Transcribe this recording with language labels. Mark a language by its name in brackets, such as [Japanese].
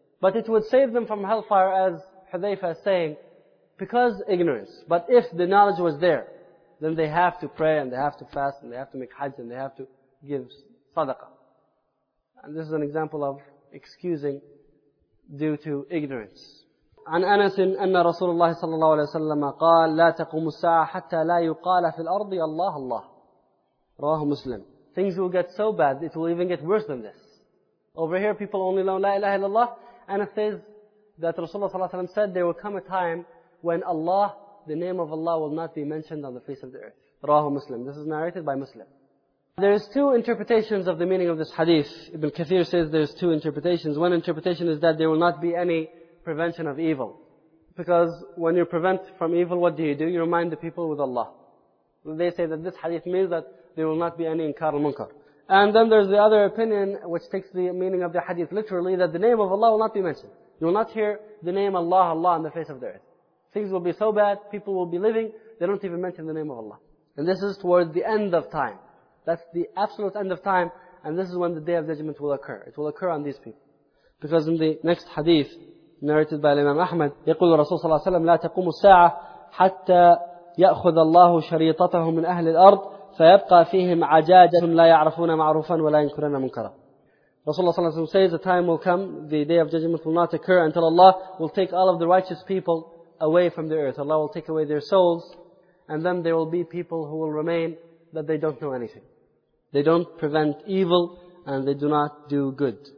[English] But it would save them from hellfire, as Hudhayfa is saying, because ignorance. But if the knowledge was there, then they have to pray and they have to fast and they have to make hajj and they have to give sadaqah. And this is an example of excusing due to ignorance. [Arabic] عن أنس أن رسول الله صلى الله عليه وسلم قال لا تقوم الساعة حتى لا يقال في الأرض الله الله رواه مسلم. [English] Things will get so bad, it will even get worse than this. Over here people only know [Arabic] لا إله إلا الله. [English] Anas says that Rasulullah صلى الله عليه وسلم said there will come a time when Allah, the name of Allah, will not be mentioned on the face of the earth. Rahu Muslim. This is narrated by Muslim. There is two interpretations of the meaning of this hadith. Ibn Kathir says there's two interpretations. One interpretation is that there will not be any prevention of evil. Because when you prevent from evil, what do? You remind the people with Allah. They say that this hadith means that there will not be any inkar al-munkar. And then there's the other opinion, which takes the meaning of the hadith literally, that the name of Allah will not be mentioned. You will not hear the name Allah, Allah, on the face of the earth. Things will be so bad, people will be living, they don't even mention the name of Allah. And this is towards the end of time. That's the absolute end of time, and this is when the Day of Judgment will occur. It will occur on these people. Because in the next hadith, narrated by Imam Ahmad, [Arabic] يقول الرسول صلى الله عليه وسلم, لا تقوم الساعة حتى يأخذ الله شريطته من أهل الأرض فيبقى فيهم عجاجة لا يعرفون معروفا ولا ينكرون منكرا. [English] Rasulullah صلى الله عليه وسلم says, the time will come, the Day of Judgment will not occur until Allah will take all of the righteous people away from the earth. Allah will take away their souls, and then there will be people who will remain that they don't know anything. They don't prevent evil and they do not do good.